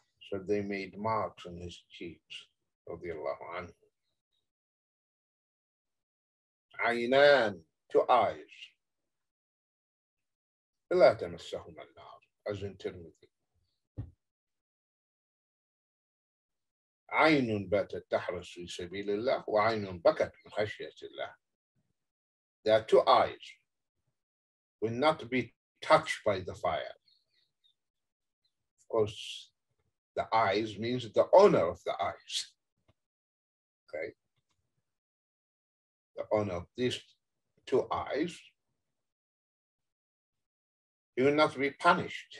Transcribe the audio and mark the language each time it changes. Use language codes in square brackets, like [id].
[en] So they made marks on his cheeks, radiallahu anhu. Aynan, two eyes. [ar] Illa tamassahum al-nar, [en] as in Tirmidhi. [ar] عين باتت تحرس في سبيل الله وعين بكت من خشية الله. [en] There are two eyes will not be touched by the fire. Of course, the eyes means the owner of the eyes. Okay. The owner of these two eyes, he will not be punished.